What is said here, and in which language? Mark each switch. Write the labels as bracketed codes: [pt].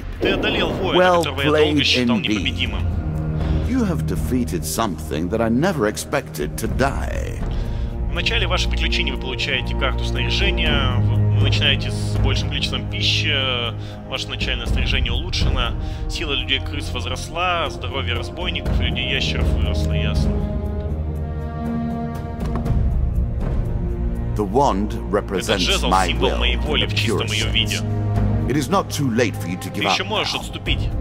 [ru] Ты одолел воина, которого я долго считал непобедимым. [en] You have defeated something that I never expected to die. [ru] В начале вашего приключения вы получаете карту снаряжения, вы начинаете с большим количеством пищи, ваше начальное снаряжение улучшено, сила людей-крыс возросла, здоровье разбойников и людей-ящеров выросло, ясно. [en] The wand represents my will. [ru] Этот жезл — символ моей воли в чистом ее виде. [en] It is not too late for you to give up. [ru] Ты еще можешь отступить.